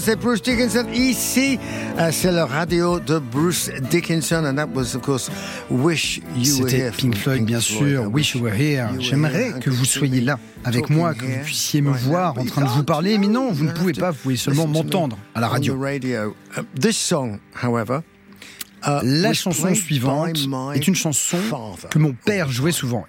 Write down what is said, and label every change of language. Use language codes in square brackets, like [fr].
[fr] C'est Bruce Dickinson ici. C'est la radio de Bruce Dickinson. [en] And that was, of course, Wish You Were Here. [fr] C'était Pink Floyd, bien sûr. Wish You Were Here. J'aimerais que vous soyez là avec moi, que vous puissiez me voir en train de vous parler. Mais non, vous ne pouvez pas. Vous pouvez seulement m'entendre à la radio. [en] This song, however, [fr] la chanson suivante est une chanson que mon père jouait souvent.